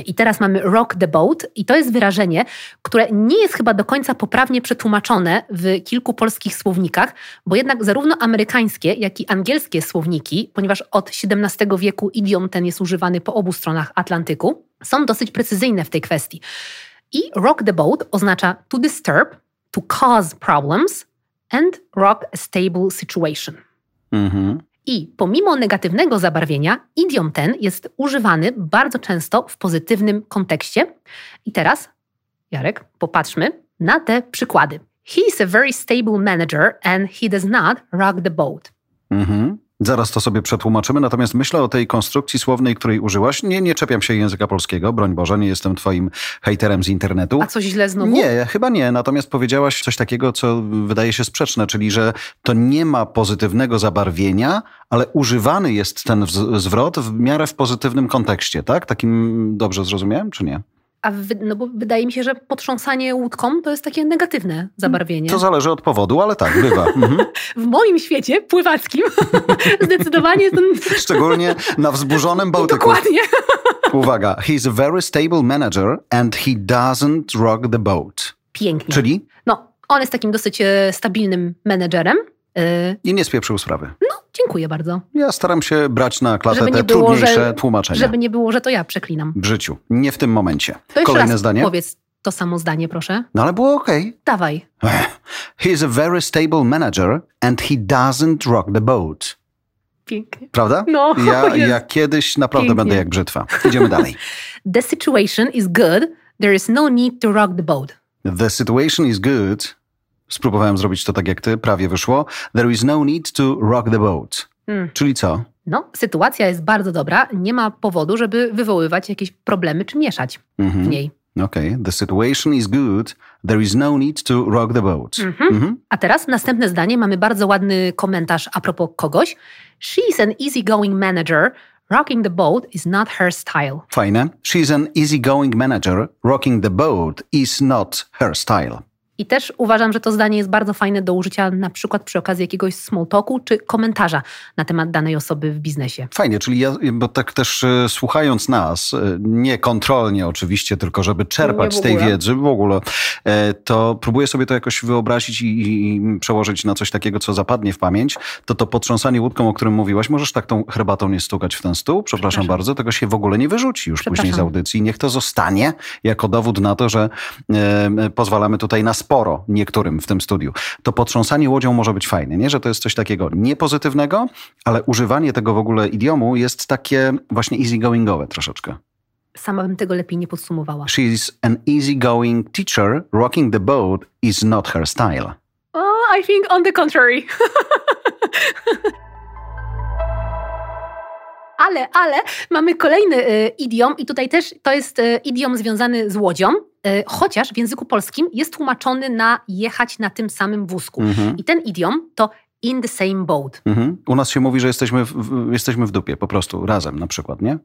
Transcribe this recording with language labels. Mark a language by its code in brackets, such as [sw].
[pl] I teraz mamy rock the boat i to jest wyrażenie, które nie jest chyba do końca poprawnie przetłumaczone w kilku polskich słownikach, bo jednak zarówno amerykańskie, jak i angielskie słowniki, ponieważ od XVII wieku idiom ten jest używany po obu stronach Atlantyku, są dosyć precyzyjne w tej kwestii. I [en] rock the boat [pl] oznacza [en] to disturb, to cause problems and rock a stable situation. Mhm. [pl] I pomimo negatywnego zabarwienia, idiom ten jest używany bardzo często w pozytywnym kontekście. I teraz, Jarek, popatrzmy na te przykłady. [en] He is a very stable manager and he does not rock the boat. Mhm. [pl] Zaraz to sobie przetłumaczymy, natomiast myślę o tej konstrukcji słownej, której użyłaś. Nie czepiam się języka polskiego, broń Boże, nie jestem twoim hejterem z internetu. A coś źle znowu? Nie, chyba nie, natomiast powiedziałaś coś takiego, co wydaje się sprzeczne, czyli że to nie ma pozytywnego zabarwienia, ale używany jest ten zwrot w miarę w pozytywnym kontekście, tak? Takim dobrze zrozumiałem, czy nie? No bo wydaje mi się, że potrząsanie łódką to jest takie negatywne zabarwienie. To zależy od powodu, ale tak, bywa. W moim świecie pływackim zdecydowanie... Szczególnie na wzburzonym Bałtyku. Dokładnie. Uwaga. [en] He's a very stable manager and he doesn't rock the boat. [pl] Pięknie. Czyli? No, on jest takim dosyć stabilnym menedżerem. I nie spieprzył sprawy. No, dziękuję bardzo. Ja staram się brać na klatę te trudniejsze tłumaczenia. Żeby nie było, że to ja przeklinam. W życiu. Nie w tym momencie. To jeszcze kolejne raz zdanie. Powiedz to samo zdanie, proszę. No ale było okej. Okay. Dawaj. [en] He is a very stable manager and he doesn't rock the boat. [pl] Pięknie. Prawda? No. Ja kiedyś naprawdę pięknie. Będę jak brzytwa. Idziemy dalej. [en] The situation is good. There is no need to rock the boat. The situation is good. [pl] Spróbowałem zrobić to tak jak ty, prawie wyszło. [en] There is no need to rock the boat. [pl] Hmm. Czyli co? No, sytuacja jest bardzo dobra. Nie ma powodu, żeby wywoływać jakieś problemy czy mieszać w niej. [en] Okej. Okay. The situation is good. There is no need to rock the boat. [pl] A teraz następne zdanie. Mamy bardzo ładny komentarz a propos kogoś. [en] She is an easygoing manager. Rocking the boat is not her style. [pl] Fajne. [en] She is an easygoing manager. Rocking the boat is not her style. [pl] I też uważam, że to zdanie jest bardzo fajne do użycia na przykład przy okazji jakiegoś small talku czy komentarza na temat danej osoby w biznesie. Fajnie, czyli ja, bo tak też słuchając nas, nie kontrolnie oczywiście, tylko żeby czerpać z tej wiedzy w ogóle, to próbuję sobie to jakoś wyobrazić i przełożyć na coś takiego, co zapadnie w pamięć. To potrząsanie łódką, o którym mówiłaś, możesz tak tą herbatą nie stukać w ten stół? Przepraszam bardzo, tego się w ogóle nie wyrzuci już później z audycji. Niech to zostanie jako dowód na to, że pozwalamy tutaj na sporo niektórym w tym studiu. To potrząsanie łodzią może być fajne, nie? Że to jest coś takiego niepozytywnego, ale używanie tego w ogóle idiomu jest takie właśnie easygoingowe troszeczkę. Sama bym tego lepiej nie podsumowała. [en] She is an easygoing teacher. Rocking the boat is not her style. Oh, I think on the contrary. [pl] Ale mamy kolejny idiom i tutaj też to jest idiom związany z łodzią, chociaż w języku polskim jest tłumaczony na jechać na tym samym wózku. Mm-hmm. I ten idiom to in the same boat. Mm-hmm. U nas się mówi, że jesteśmy w dupie po prostu, razem na przykład, nie?